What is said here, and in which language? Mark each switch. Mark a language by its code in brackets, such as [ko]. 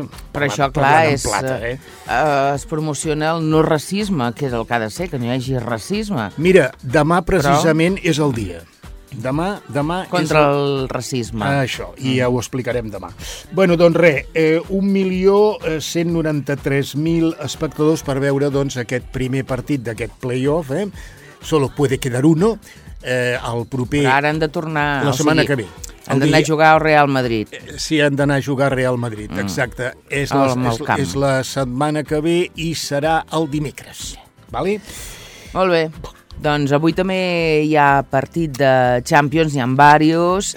[ca] Però això, clar, és... Plata, es promociona el no racisme, que és el que ha de ser, que no hi hagi racisme. Mira, demà precisament però... és el dia. Demà contra és el racisme. Això, i ja ho explicarem demà. Bueno, doncs res, 1.193.000 espectadors per veure doncs aquest primer partit d'aquest playoff, eh? [es] Solo puede quedar uno, [ca] el proper... Però ara han de tornar... La setmana que ve. Han d'anar a jugar al Real Madrid. Sí, han d'anar a jugar al Real Madrid, exacte. És la setmana que ve i serà el dimecres. Vale? Molt bé. Doncs avui també hi ha partit de Champions, n'hi ha diversos.